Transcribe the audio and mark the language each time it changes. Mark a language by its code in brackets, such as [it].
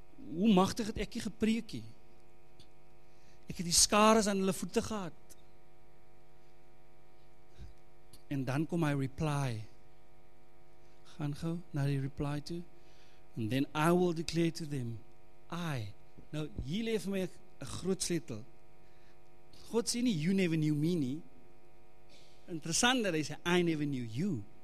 [af] Hoe magtig het ek hier gepreek hier? Ek het die skares aan hulle voete gehad. En dan kom my reply. Gaan gauw na die reply toe. [en] And then I will declare to them, I. [af] Nou, hier leef my een groot sleutel. God sê nie, [en] you never knew me [af] nie. Interessant dat hy sê, [en] I never knew you.